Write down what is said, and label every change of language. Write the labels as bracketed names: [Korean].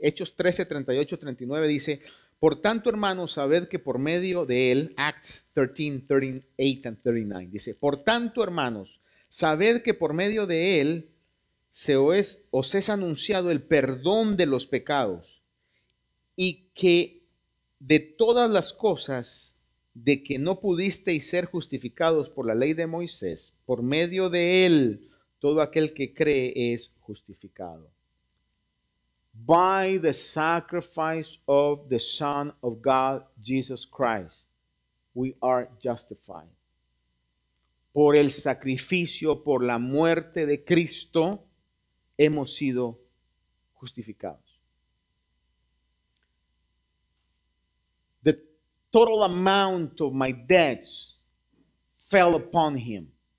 [Spanish] Hechos 13:38-39 dice, por tanto, hermanos, sabed que por medio de él, Acts 13:38-39, dice, por tanto, hermanos, sabed que por medio de él os es anunciado el perdón de los pecados y que de todas las cosas de que no pudisteis ser justificados por la ley de Moisés, por medio de él, todo aquel que cree es justificado. [English] By the sacrifice of the Son of God, Jesus Christ, we are justified. [Spanish] Por el sacrificio, por la muerte de Cristo, hemos sido justificados. [English] Total amount of my debts fell upon him.